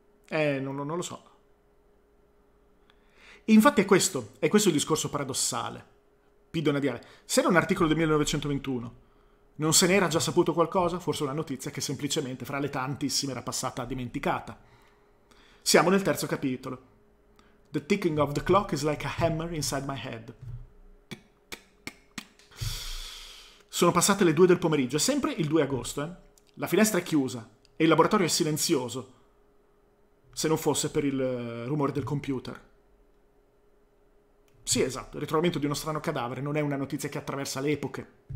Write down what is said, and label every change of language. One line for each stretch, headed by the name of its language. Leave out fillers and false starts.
Italian: Non lo so. E infatti è questo il discorso paradossale. Pidona Diale, se era un articolo del 1921, non se ne era già saputo qualcosa? Forse una notizia che semplicemente fra le tantissime era passata dimenticata. Siamo nel terzo capitolo.
English: The ticking of the clock is like a hammer inside my head.
Italian: Sono passate le 2 del pomeriggio, è sempre il 2 agosto, eh? La finestra è chiusa e il laboratorio è silenzioso, se non fosse per il rumore del computer. Sì, esatto, il ritrovamento di uno strano cadavere non è una notizia che attraversa le epoche.